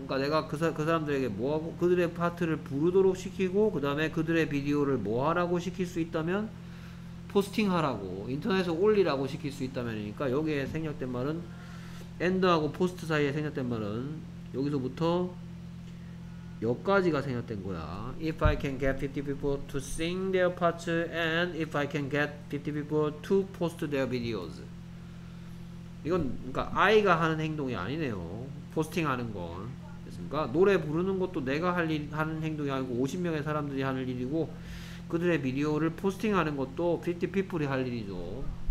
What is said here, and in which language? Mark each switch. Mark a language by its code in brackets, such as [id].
[ko] 그러니까 내가 그 사람들에게 뭐 하고 그들의 파트를 부르도록 시키고 그다음에 그들의 비디오를 뭐 하라고 시킬 수 있다면 포스팅하라고 인터넷에 올리라고 시킬 수 있다면이니까 여기에 생략된 말은 end하고 post 사이에 생략된 말은 여기서부터 여기까지가 생각된 거야. [en] If I can get 50 people to sing their parts and if I can get 50 people to post their videos. [ko] 이건 그러니까 아이가 하는 행동이 아니네요. 포스팅 하는 건. 그러니까 노래 부르는 것도 내가 할 일, 하는 행동이 아니고 50명의 사람들이 하는 일이고 그들의 비디오를 포스팅하는 것도 50 people이 할 일이죠.